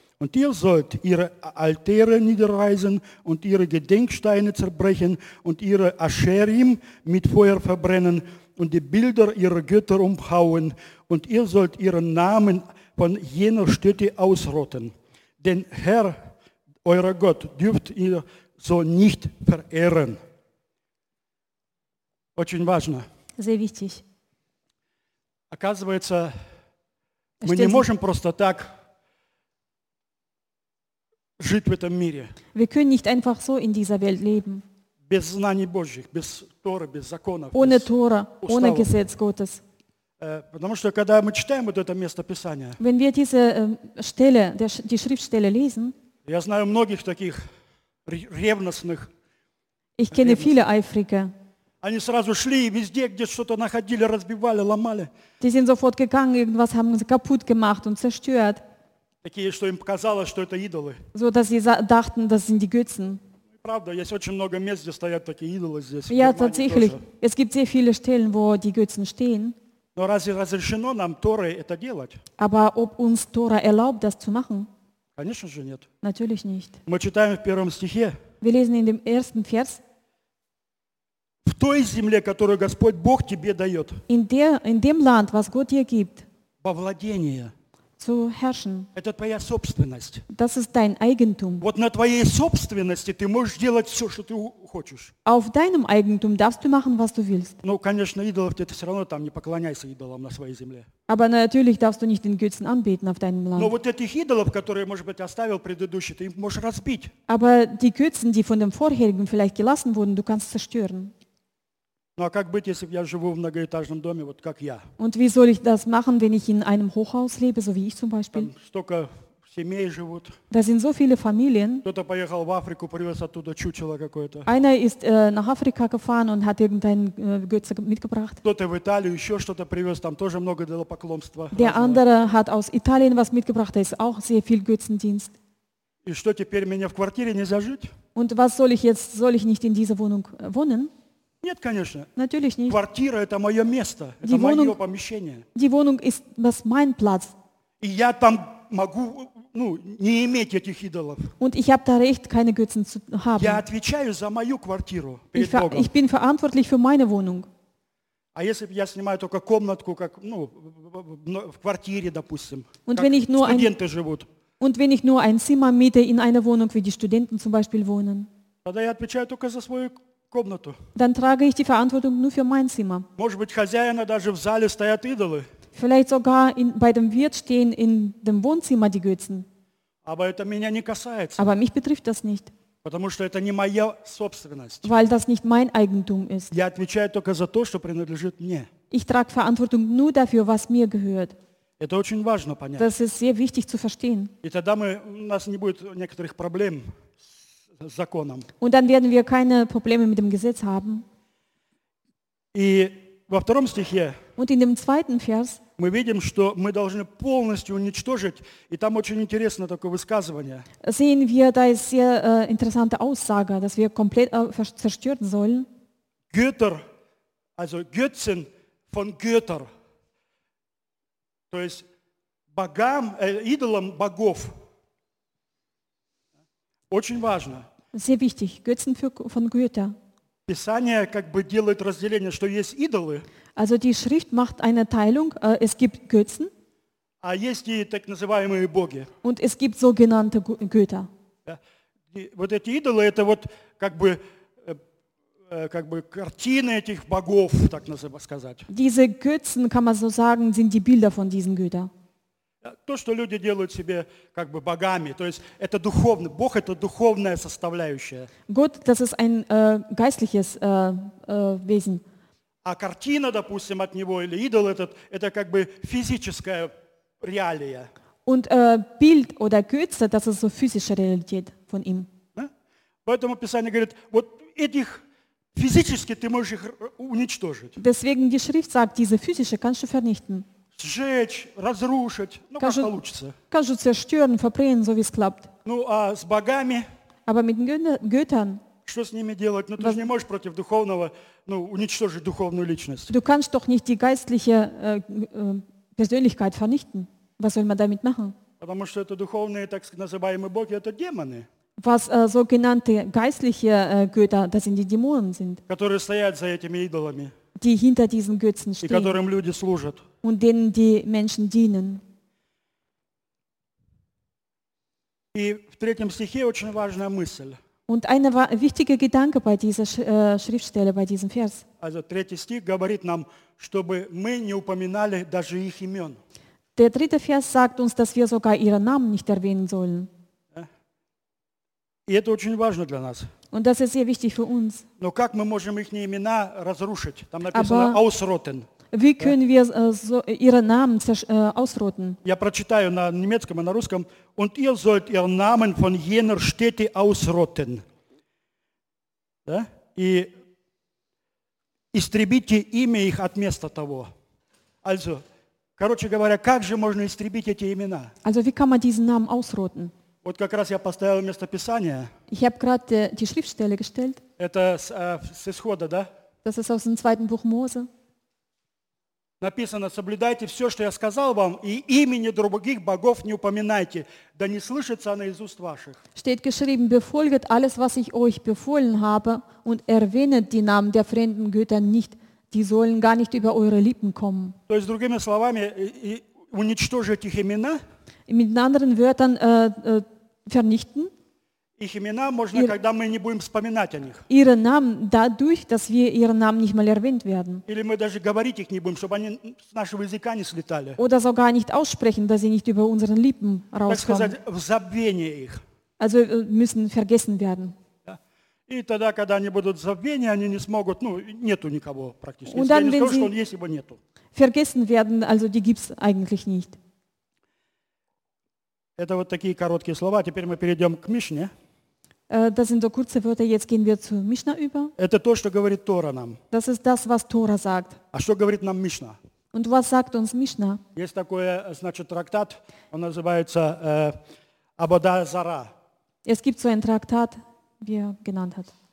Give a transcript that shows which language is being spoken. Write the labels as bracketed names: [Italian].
[German] Und ihr sollt ihre Altäre niederreißen und ihre Gedenksteine zerbrechen und ihre Ascherim mit Feuer verbrennen und die Bilder ihrer Götter umhauen und ihr sollt ihren Namen von jener Stätte ausrotten. Denn Herr, euer Gott, dürft ihr so nicht verehren. [Russian] Очень важно. [German] Sehr wichtig. [Russian] Оказывается, мы не можем просто так жить в этом мире. [German] Wir können nicht einfach so in dieser Welt leben. [Russian] Без знаний Божьих, без Торы, без законов. [German] Ohne Tora, ohne Gesetz Gottes. [Russian] Потому что когда мы читаем вот это место Писания, [German] wenn wir diese Stelle, die Schriftstelle lesen, [Russian] я знаю многих таких ревностных. [German] Ich kenne viele Eifrige. [Russian] Они сразу шли везде, где что-то находили, разбивали, ломали. [German] Die sind sofort gegangen, irgendwas haben sie kaputt gemacht und zerstört. [Russian] Такие, что им показалось, что это идолы. [German] So, dass sie dachten, das sind die Götzen. [Russian] Правда, есть очень много мест, где стоят такие идолы здесь. [German] Ja, tatsächlich. Es gibt sehr viele Stellen, wo die Götzen stehen. [Russian] Но разве разрешено нам Торой это делать? [German] Aber ob uns Tora erlaubt, das zu machen? [Russian] Конечно же нет. [German] Natürlich nicht. [Russian] Мы читаем в первом стихе. [German] Wir lesen in dem ersten Vers. [Russian] В той земле, которую Господь Бог тебе дает. [German] In dem Land, was Gott dir gibt. [Russian] Во владение. [German] zu herrschen. [Russian] Это твоя собственность. [German] Das ist dein Eigentum. [Russian] Вот на твоей собственности ты можешь делать все, что ты хочешь. [German] Auf deinem Eigentum darfst du machen, was du willst. [Russian] Ну, конечно, идолов ты все равно там не поклоняйся идолам на своей земле. [German] Aber natürlich darfst du nicht den Götzen anbeten auf deinem Land. [Russian] Но вот этих идолов, которые, может быть, оставил предыдущий, ты можешь разбить. [German] Aber die Götzen, die von dem Vorherigen vielleicht gelassen wurden, du kannst zerstören. [Russian] Ну а как быть, если я живу в многоэтажном доме, вот как я? [German] Und wie soll ich das machen, wenn ich in einem Hochhaus lebe, so wie ich zum Beispiel? [Russian] Там столько семей живут. [German] Da sind so viele Familien. [Russian] Кто-то поехал в Африку, привез оттуда чучело какое-то. [German] Einer ist nach Afrika gefahren und hat irgendeinen Götze mitgebracht. [Russian] Кто-то в Италию еще что-то привез, там тоже много идолопоклонства. [German] Der andere hat aus Italien was mitgebracht, da ist auch sehr viel Götzendienst. [Russian] И что теперь, мне в квартире нельзя жить? [German] Und was soll ich jetzt, soll ich nicht in dieser Wohnung wohnen? [Russian] Нет, конечно. [German] Natürlich nicht. [Russian] Квартира – это мое место, [German] die Wohnung, [Russian] мое помещение. [German] Die Wohnung ist, was mein Platz. [Russian] И я там могу, ну, не иметь этих идолов. [German] Und ich habe da Recht, keine Götzen zu haben. [Russian] Я отвечаю за мою квартиру перед Богом. [German] Ich bin verantwortlich für meine Wohnung. [Russian] А если бы я снимаю только комнатку, как, ну, в квартире, допустим, [German] und [Russian] как [German] wenn ich nur [Russian] студенты [German] ein, [Russian] живут. [German] Und wenn ich nur ein Zimmer miete in einer Wohnung, wie die Studenten zum Beispiel wohnen. [Russian] Тогда я отвечаю только за свою квартиру. [German] Dann trage ich die Verantwortung nur für mein Zimmer. [Russian] Может быть, хозяина даже в зале стоят идолы. [German] Vielleicht sogar in, bei dem Wirt stehen in dem Wohnzimmer die Götzen. Aber [Russian] это меня не касается. [German] Aber mich betrifft das nicht. [Russian] Потому что это не моя собственность. [German] Weil das nicht mein Eigentum ist. [Russian] Я отвечаю только за то, что принадлежит мне. [German] Ich trage Verantwortung nur dafür, was mir gehört. [Russian] Это очень важно понять. [German] Das ist sehr wichtig zu verstehen. [Russian] И тогда мы, у нас не будет некоторых проблем. Законом. [German] Und dann werden wir keine Probleme mit dem Gesetz haben. [Russian] И во втором стихе [German] Und in dem zweiten Vers, [Russian] мы видим, что мы должны полностью уничтожить, и там очень интересно такое высказывание. [German] Sehen wir, da ist sehr interessante Aussage, dass wir komplett zerstören sollen. Götter, also Götzen von Götter, [Russian] то есть богам, идолам богов. Очень важно. [German] Sehr wichtig, Götzen für, von Götter. [Russian] Писание как бы делает разделение, что есть идолы. [German] Also die Schrift macht eine Teilung, es gibt Götzen. [Russian] А есть и так называемые боги. [German] Und es gibt sogenannte Götter. Ja, [Russian] вот эти идолы, это вот как бы картины этих богов, так называемых сказать. [German] Diese Götzen, kann man so sagen, sind die Bilder von diesen Götter. [Russian] То, что люди делают себе как бы богами, то есть это духовный, Бог это духовная составляющая. [German] Gott, das ist ein geistliches Wesen. [Russian] А картина, допустим, от него или идол этот, это как бы физическая реалия. [German] Und Bild oder Götze, das ist so physische Realität von ihm. [Russian] Поэтому Писание говорит, вот этих физически ты можешь их уничтожить. [German] Deswegen die Schrift sagt, diese physische kannst du vernichten. [Russian] Сжечь, разрушить, ну как получится. Кажется, [German] zerstören, verbrennen, so wie es klappt. [Russian] Ну а с богами? [German] Aber mit Göttern? [Russian] Что с ними делать? Ну ты же не можешь против духовного, ну, уничтожить духовную личность. [German] Du kannst doch nicht die geistliche Persönlichkeit vernichten. Was soll man damit machen? [Russian] Потому что это духовные, так называемые боги, это демоны. [German] Was sogenannte geistliche Götter, das sind die Dämonen sind. [Russian] Которые стоят за этими идолами. [German] Die hinter diesen Götzen stehen. [Russian] И которым люди служат. [German] Und denen die Menschen dienen. [Russian] И в третьем стихе очень важная мысль. [German] Und eine wichtige Gedanke bei dieser Schriftstelle, bei diesem Vers. Also [Russian] третий стих говорит нам, чтобы мы не упоминали даже их имен. [German] Der dritte Vers sagt uns, dass wir sogar ihre Namen nicht erwähnen sollen. [Russian] И это очень важно для нас. [German] Und das ist sehr wichtig für uns. [Russian] Но как мы можем их имена разрушить? Там написано [German] Aber «ausrotten». Wie können wir so ihre Namen ausrotten? [Russian] Я прочитаю на немецком и на русском. [German] Und ihr sollt ihren Namen von jener Städte ausrotten. [Russian] Да? И истребите имя их от места того. [German] Also, [Russian] короче говоря, как же можно истребить эти имена? [German] Also, wie kann man diesen Namen ausrotten? [Russian] Вот как раз я поставил место Писания. [German] Ich habe gerade die Schriftstelle gestellt. [Russian] Это с Исхода, да? [German] Das ist aus dem zweiten Buch Mose. [Russian] Написано, соблюдайте все, что я сказал вам, и имени других богов не упоминайте, да не слышится оно из уст ваших. [German] Steht geschrieben, befolget alles, was ich euch befohlen habe, und erwähnet die Namen der fremden Götter nicht, die sollen gar nicht über eure Lippen kommen. [Russian] То есть, другими словами, уничтожить их имена, [German] mit anderen Wörtern vernichten. [Russian] Их имена можно, когда мы не будем вспоминать о них. [German] Ihre Namen dadurch, dass wir ihren Namen nicht mal erwähnt werden. [Russian] Или мы даже говорить их не будем, чтобы они с нашего языка не слетали. [German] Oder sogar nicht aussprechen, dass sie nicht über unseren Lippen rauskommen. [Russian] Так сказать, в забвение их. [German] Also müssen vergessen werden. [Russian] И тогда, когда они будут в забвении, они не смогут, ну, нету никого практически. [German] Und dann, wenn sie [Russian] есть, его нету. [German] Vergessen werden, also die gibt's eigentlich nicht. [Russian] Это вот такие короткие слова. Теперь мы перейдем к Мишне. [German] Das sind so kurze Wörter, jetzt gehen wir zu Mishna über. [Russian] Это то, что говорит Тора нам. [German] Das ist das, was Tora sagt. [Russian] А что говорит нам Мишна? [German] Und was sagt uns Mishna? [Russian] Есть такой, значит, трактат, он называется Абода Зара. [German] Es gibt so einen Traktat, wie er genannt hat.